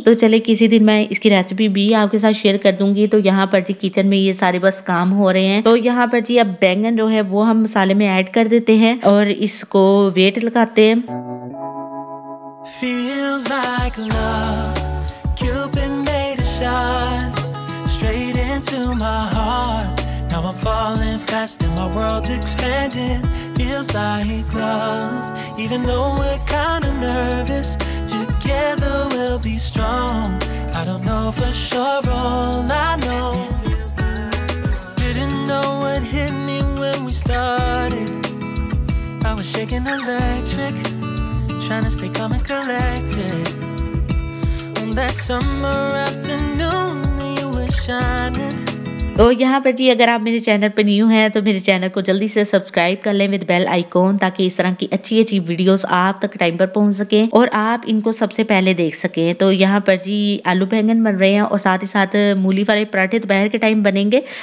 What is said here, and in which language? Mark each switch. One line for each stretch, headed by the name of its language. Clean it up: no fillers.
Hindi: तो चले किसी दिन मैं इसकी रेसिपी भी आपके साथ शेयर कर दूँगी। तो यहाँ पर जी किचन में ये सारे बस काम हो रहे हैं। तो यहाँ पर जी अब बैंगन जो है वो हम मसाले में ऐड कर देते हैं और इसको वेट लगाते हैं।
English: To my heart, now I'm falling fast and my world's expanding. Feels like love, even though we're kind of nervous. Together we'll be strong. I don't know for sure, all I know. Didn't know what hit me when we started. I was shaking electric, trying to stay calm and collected. On that summer afternoon, you were shining.
Hindi: तो यहाँ पर जी अगर आप मेरे channel पर new हैं तो मेरे चैनल को जल्दी से सब्सक्राइब कर लें
English: with bell icon,
Hindi: ताकि इस तरह की अच्छी अच्छी वीडियोस आप तक टाइम पर पहुँच सकें और आप इनको सबसे पहले देख सकें। तो यहाँ पर जी आलू बैंगन बन रहे हैं और साथ ही साथ मूली वाले पराठे दोपहर के टाइम बनेंगे।